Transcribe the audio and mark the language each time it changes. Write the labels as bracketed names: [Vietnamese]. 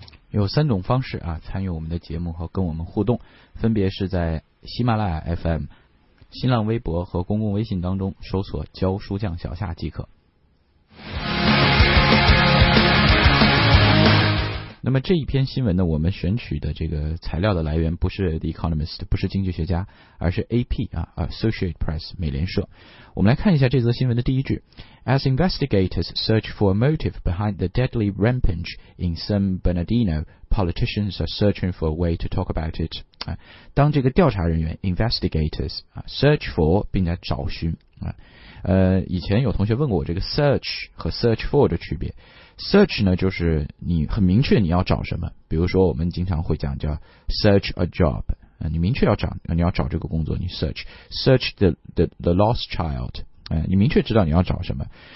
[Chinese] 有三种方式啊，参与我们的节目和跟我们互动，分别是在喜马拉雅 FM、新浪微博和公共微信当中搜索“教书匠小夏”即可。那么这一篇新闻呢，我们选取的这个材料的来源不是 The Economist， 不是经济学家，而是 AP 啊 ，Associated Press 美联社。我们来看一下这则新闻的第一句 [English] ：As investigators search for a motive behind the deadly rampage in San Bernardino, politicians are searching for a way to talk about it。 [Chinese] 当这个调查人员 investigators 啊 search for 并在找寻啊，以前有同学问过我这个 search 和 search for 的区别。 Search 呢就是你很明确你要找什么，比如说我们经常会讲叫 [English] search a job， [Chinese] 你明确要找，你要找这个工作，你 [English] search the lost child， [Chinese] 你明确知道你要找什么。